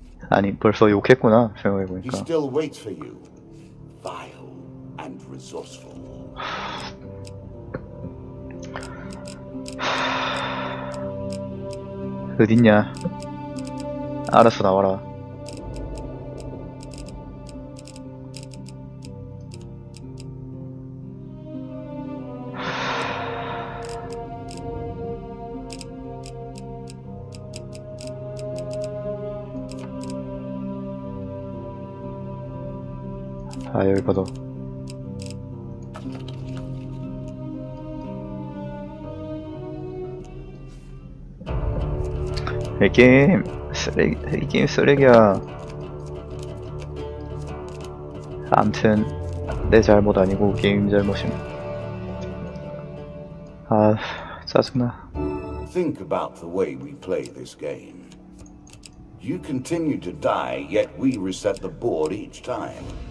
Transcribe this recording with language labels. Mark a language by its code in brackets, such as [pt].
[ko] 아니 벌써 욕했구나 생각해보니까. [en] He still waits for you, vile and resourceful. [ko] 어딨냐? 알아서 나와라. 아, 여기 봐도. 이 게임 쓰레기, 이 게임 쓰레기야. 암튼 내 잘못 아니고 게임 잘못임. 아, 짜증나. [en] Think about the way we play this game. You continue to die, yet we reset the board each time.